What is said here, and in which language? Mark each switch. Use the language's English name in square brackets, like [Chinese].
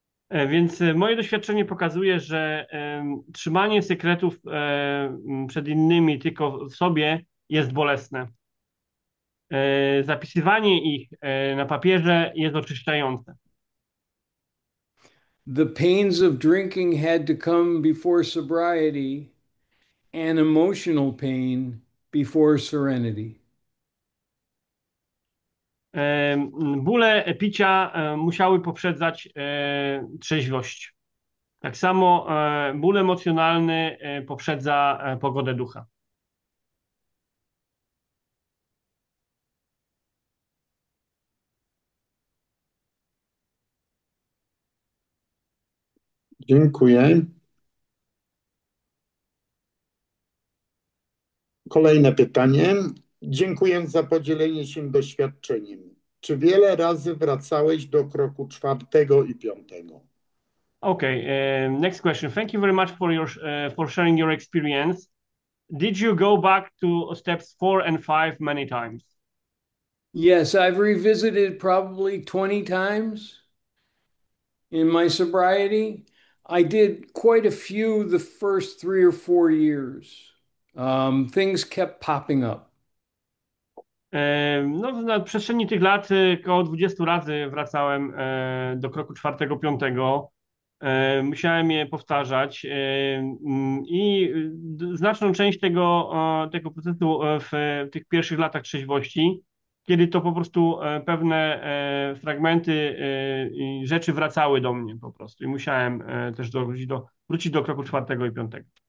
[Polish] Więc moje doświadczenie pokazuje, że trzymanie sekretów przed innymi tylko w sobie jest bolesne. Zapisywanie ich na papierze jest oczyszczające. [English] The pains of drinking had to come before sobriety, and emotional pain before serenity. [Polish] Bóle picia musiały poprzedzać trzeźwość. Tak samo ból emocjonalny poprzedza pogodę ducha. Dziękuję. Kolejne pytanie. Dziękuję za podzielenie się doświadczeniem. Czy wiele razy wracałeś do kroku czwartego i piątego? [English] Okay, next question. Thank you very much for sharing your experience. Did you go back to steps four and five many times? Yes, I've revisited probably 20 times in my sobriety. I did quite a few the first 3 or 4 years. Things kept popping up. [Polish] No, na przestrzeni tych lat około 20 razy wracałem do kroku czwartego, piątego. Musiałem je powtarzać i znaczną część tego procesu w tych pierwszych latach trzeźwości, kiedy to po prostu pewne fragmenty i rzeczy wracały do mnie po prostu i musiałem też wrócić do kroku czwartego i piątego.